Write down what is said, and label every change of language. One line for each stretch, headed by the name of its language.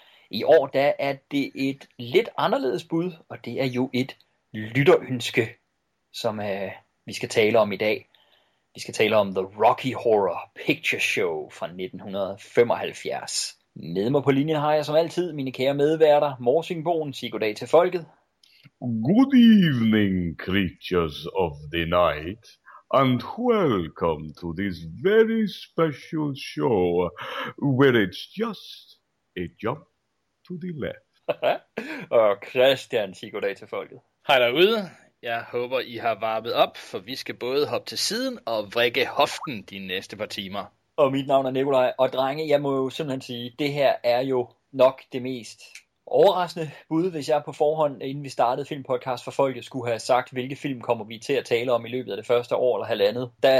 Danish: I år da er det et lidt anderledes bud, og det er jo et lytterønske, som vi skal tale om i dag. Vi skal tale om The Rocky Horror Picture Show fra 1975. Med mig på linjen har jeg som altid mine kære medværter, Morsingboen. Sig goddag til folket.
English: Good evening, creatures of the night, and welcome to this very special show, where it's just a jump to the left.
Danish: Og Christian, sig goddag til folket. Hej derude. Jeg håber, I har varmet op, for vi skal både hoppe til siden og vrikke hoften de næste par timer. Og mit navn er Nikolaj, og drenge, jeg må jo simpelthen sige, det her er jo nok det mest overraskende bud, hvis jeg på forhånd, inden vi startede Filmpodcast for Folket, skulle have sagt, hvilke film kommer vi til at tale om i løbet af det første år eller halvandet.